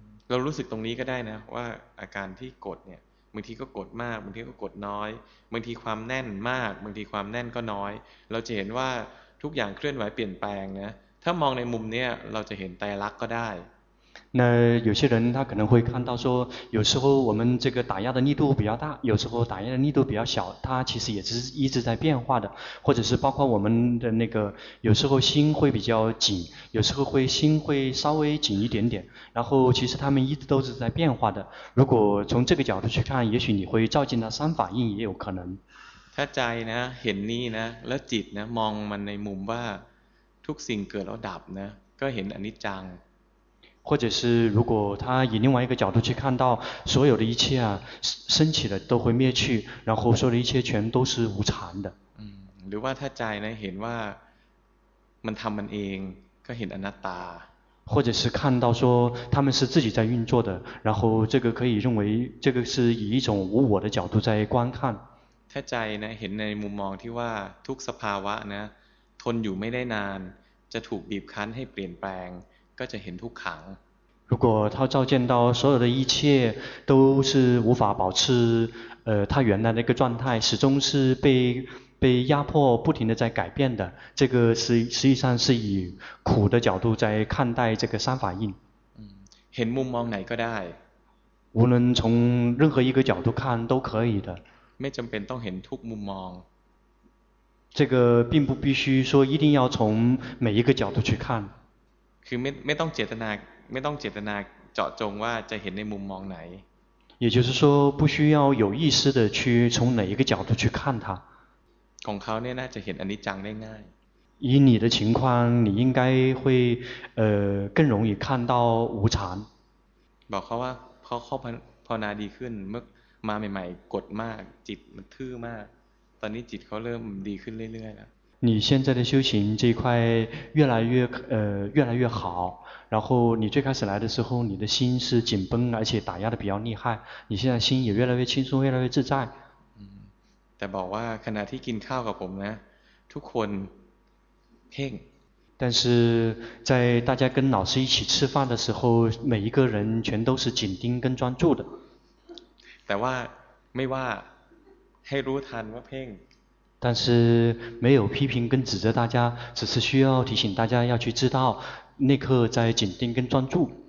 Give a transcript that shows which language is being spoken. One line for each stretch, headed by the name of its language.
Thai: เรารู้สึกตรงนี้ก็ได้นะว่าอาการที่กดเนี่ยบางทีก็กดมากบางทีก็กดน้อยบางทีความแน่นมากบางทีความแน่นก็น้อยเราจะเห็นว่าทุกอย่างเคลื่อนไหวเปลี่ยนแปลงนะถ้ามองในมุมเนี้ยเราจะเห็นไตรลักษณ์ก็ได้
Chinese: 那有些人他可能会看到说有时候我们这个打压的力度比较大有时候打压的力度比较小它其实也是一直在变化的或者是包括我们的那个有时候心会比较紧有时候会心会稍微紧一点点然后其实他们一直都是在变化的如果从这个角度去看也许你会照进到三法印也有可能
Thai: ถ้าใจนะเห็นนี่นะแล้วจิตนะมองมันในมุมว่าทุกสิ่งเกิดแล้วดับนะก็เห็นอนิจจัง
Chinese: 或者是如果他以另外一个角度去看到所有的一切啊升起了都会灭去然后所有的一切全都是无常的
Thai: หรือว่าถ้าใจนะเห็นว่ามันทำมันเองก็เห็นอนัตตา
Chinese: 或者是看到说他们是自己在运作的然后这个可以认为这个是以一种无我的角度在观看
Thai: ถ้าใจนะเห็นในมุมมองที่ว่าทุกสภาวะนะทนอยู่ไม่ได้นานจะถูกบีบคั้นให้เปลี่ยนแปลง ก็จะเห็นทุกขัง
Chinese: 如果他照见到所有的一切都是无法保持他原来的一个状态始终是被压迫不停地在改变的这个是实际上是以苦的角度在看待这个三法印
Thai: เห็นมุมมองไหนก็ได้
Chinese: 无论从任何一个角度看都可以的
Thai: ไม่จำเป็นต้องเห็นทุกมุมมอง
Chinese: 这个并不必须说一定要从每一个角度去看
Thai: คือไม่ต้องเจตนาไม่ต้องเจตนาเจาะจงว่าจะเห็นในมุมมองไหน
Chinese: 也就是说不需要有意识的去从哪一个角度去看它
Thai: ของเขาเนี่ยน่าจะเห็นอันนี้จังได้ง่าย
Chinese: 以你的情况你应该会更容易看到无常
Thai: บอกเขาว่าพอภาวนาดีขึ้นเมื่อมาใหม่ๆกดมากจิตมันทื่อมากตอนนี้จิตเขาเริ่มดีขึ้นเรื่อยๆแล้ว
Chinese: 你现在的修行这一块越来越好然后你最开始来的时候你的心是紧绷而且打压的比较厉害你现在心也越来越轻松越来越自在
Thai: แต่บอกว่าขณะที่กินข้าวกับผมนะทุกคนเพ่ง
Chinese: 但是在大家跟老师一起吃饭的时候每一个人全都是紧盯跟专注的
Thai: แต่ว่าไม่ว่าให้รู้ทันว่าเพ่ง
Chinese: 但是没有批评跟指责大家只是需要提醒大家要去知道那刻在紧盯跟专注